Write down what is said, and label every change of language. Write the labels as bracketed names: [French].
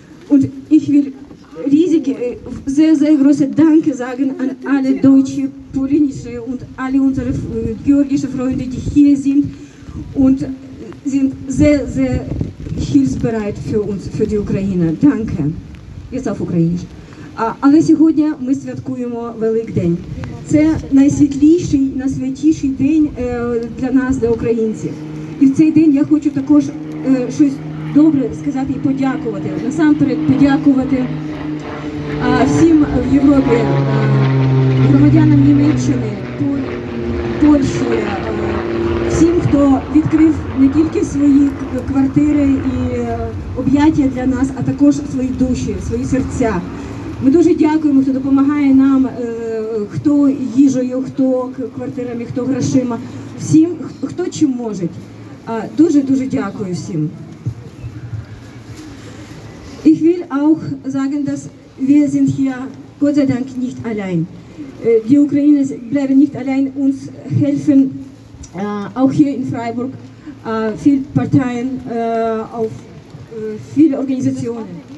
[German] Und ich will riesige, sehr, sehr große Danke sagen an alle deutsche, polnische und alle unsere georgische Freunde, die hier sind und sind sehr, sehr hilfsbereit für uns, für die Ukraine. Danke. Jetzt auf Ukrainisch. [Ukrainian] Але сьогодні ми святкуємо Великдень. Це найсвітліший, найсвятіший день для нас, для українців. І в цей день я хочу також щось добре сказати і подякувати. Насамперед подякувати всім в Європі, громадянам Німеччини, Польщі, всім, хто відкрив не тільки свої квартири і об'яття для нас, а також свої душі, свої серця. Ми дуже дякуємо, хто допомагає нам, хто їжею, хто квартирами, хто грошима, всім, хто чим може. Дуже-дуже дякую всім. [German] Ich will auch sagen, dass wir sind hier Gott sei Dank nicht allein. Die Ukraine bleiben nicht allein, uns helfen auch hier in Freiburg viele Parteien, auf viele Organisationen.